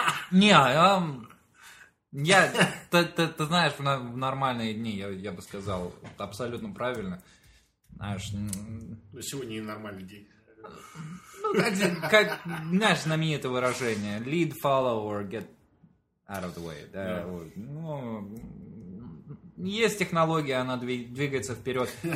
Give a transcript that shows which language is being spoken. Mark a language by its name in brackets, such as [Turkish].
[Russian] Не, я, ты знаешь, в нормальные дни, я бы сказал, абсолютно правильно. Знаешь, сегодня не нормальный день. Ну, как знаешь, знаменитое выражение. [English] Lead, follow, or get out of the way. [Russian] Да, [English] yeah. [Russian] Вот, ну, есть технология, она двигается вперед.